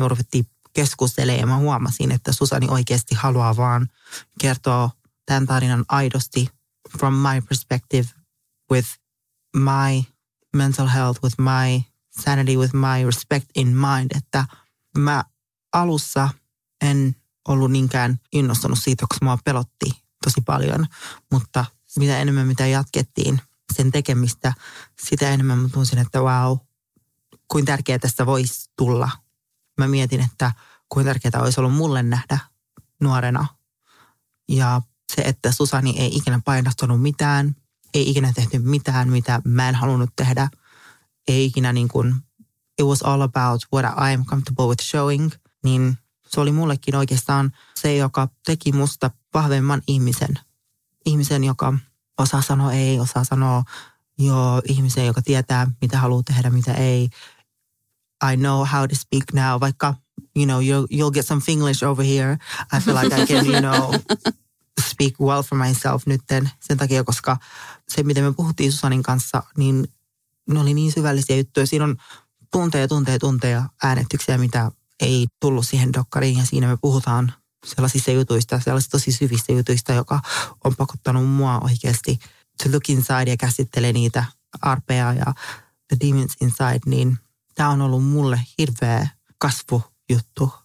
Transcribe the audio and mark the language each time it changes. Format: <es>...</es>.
<fi>Me ruvettiin keskustelemaan ja mä huomasin, että Susani oikeasti haluaa vaan kertoa tämän tarinan aidosti</fi> <en>from my perspective with my mental health, with my sanity, with my respect in mind,</en> <fi>että mä alussa en ollut niinkään innostunut siitä, koska mua pelotti tosi paljon, mutta mitä enemmän mitä jatkettiin sen tekemistä, sitä enemmän mä tunsin, että wow, kuinka tärkeää tästä voisi tulla. Mä mietin, että kuinka tärkeää olisi ollut mulle nähdä nuorena. Ja se, että Susani ei ikinä painostanut mitään, ei ikinä tehty mitään, mitä mä en halunnut tehdä. Ei ikinä niin kuin,</fi> <en>it was all about what I am comfortable with showing.</en> <fi>Niin se oli mullekin oikeastaan se, joka teki musta vahvemman ihmisen. Ihmisen, joka osaa sanoa ei, osaa sanoa joo, ihmisen, joka tietää, mitä haluaa tehdä, mitä ei.</fi> <en>I know how to speak now, vaikka, you know, you'll get some Finglish over here. I feel like I can, you know, speak well for myself nytten.</en> <fi>Sen takia, koska se, mitä me puhuttiin Susanin kanssa, niin ne oli niin syvällisiä juttuja. Siinä on tunteja äänestyksiä, mitä ei tullut siihen dokkariin. Ja siinä me puhutaan sellaisista jutuista, sellaisista tosi syvistä jutuista, joka on pakottanut mua oikeasti</fi> <en>to look inside</en> <fi>ja käsittelee niitä arpeja ja</fi> <en>the demons inside,</en> <fi>niin tämä on ollut mulle hirveä kasvujuttu.</fi>